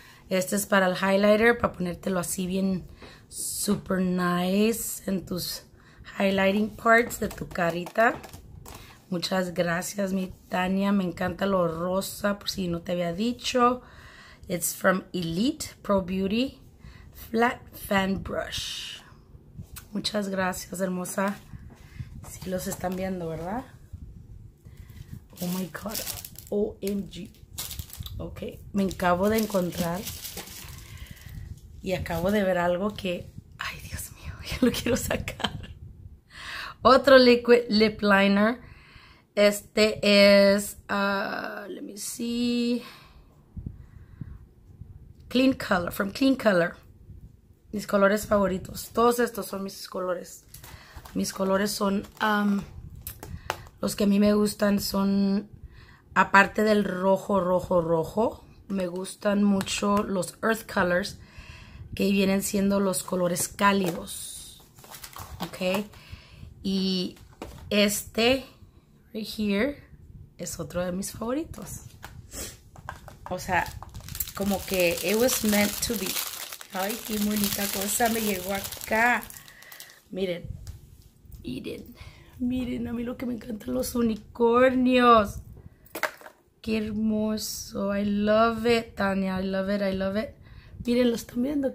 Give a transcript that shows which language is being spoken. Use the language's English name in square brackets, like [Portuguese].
[Spanish] Este es para el highlighter, para ponértelo así bien super nice en tus highlighting parts de tu carita. Muchas gracias, mi Tania. Me encanta lo rosa, por si no te había dicho. [English] It's from Elite Pro Beauty Flat Fan Brush. [Spanish] Muchas gracias, hermosa. Si los están viendo, ¿verdad? Oh my God. OMG. Ok, me acabo de encontrar y acabo de ver algo que, ay, Dios mío, ya lo quiero sacar. Otro liquid lip liner. Este es, let me see. [English] Clean Color, from Clean Color. [Spanish] Mis colores favoritos. Todos estos son mis colores. Mis colores son, los que a mí me gustan son. Aparte del rojo, rojo, rojo, me gustan mucho los Earth Colors, que vienen siendo los colores cálidos. Ok. Y este, right here, es otro de mis favoritos. O sea, como que it was meant to be. Ay, qué bonita cosa me llegó acá. Miren. Miren. Miren, a mí lo que me encantan los unicornios. [English] Qué hermoso. I love it, Tania. I love it, I love it. Miren, lo están viendo.